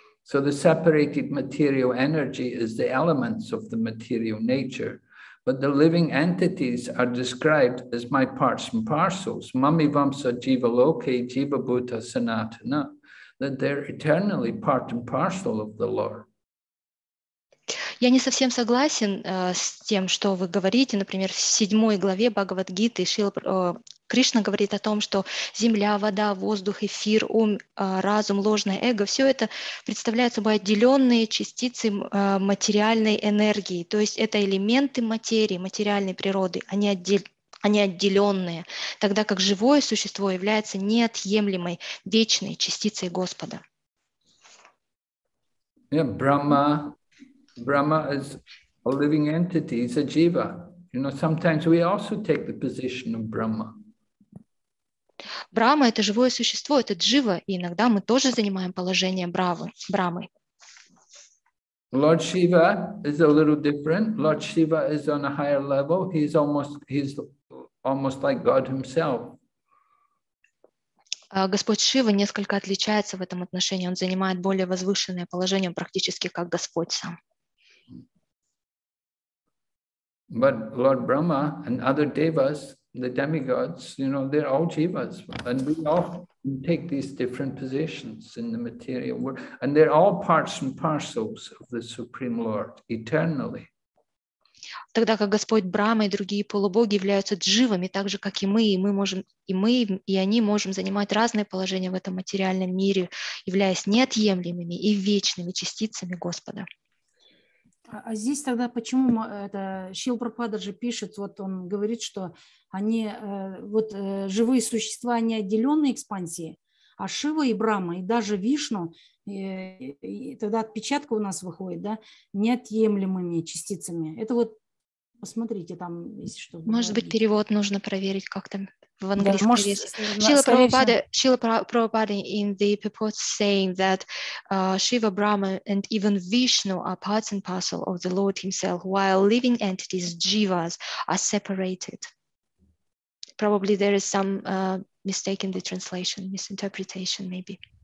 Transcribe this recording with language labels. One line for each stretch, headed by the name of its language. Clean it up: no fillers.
English: So the separated material energy is the elements of the material nature. But the living entities are described as my parts and parcels, Mami Vamsa Jiva Loke Jiva Bhuta Sanatana, that they're eternally part and parcel of the Lord.
Russian: Я не совсем согласен с тем, что вы говорите. Например, в 7 главе Бхагавад-гиты Кришна говорит о том, что земля, вода, воздух, эфир, ум, разум, ложное эго — все это представляет собой отделенные частицы материальной энергии. То есть это элементы материи, материальной природы, они отделенные, тогда как живое существо является неотъемлемой, вечной частицей Господа.
English: Yeah, Brahma is a living entity, it's a jiva. You know, sometimes we also take the position of Brahma.
Russian: Брама — это живое существо, это джива, и иногда мы тоже занимаем положение Брамы.
English: Lord Shiva is a little different. Lord Shiva is on a higher level. He's almost like God himself.
Russian: Господь Шива несколько отличается в этом отношении. Он занимает более возвышенное положение, практически как Господь сам.
English: But Lord Brahma and other devas, the demigods, you know, they're all jivas, and we all take these different positions in the material world, and they're all parts and parcels of the Supreme Lord eternally.
Russian: Тогда как Господь Брама и другие полубоги являются дживами, так же как и мы, и они можем занимать разные положения в этом материальном мире, являясь неотъемлемыми и вечными частицами Господа. А здесь тогда почему это Шрила Прабхупада же пишет, вот он говорит, что они, вот живые существа, они отделенные экспансии, а Шива и Брама, и даже Вишну, и тогда отпечатка у нас выходит, да, неотъемлемыми частицами. Это вот, посмотрите, там есть что-то. Может говорить. Быть, перевод нужно проверить как-то в английском языке.
English: Шрила Прабхупада in the purport saying that Shiva, Brahma and even Vishnu are parts and parcel of the Lord himself, while living entities, jivas, are separated. Probably there is some mistake in the translation, misinterpretation maybe.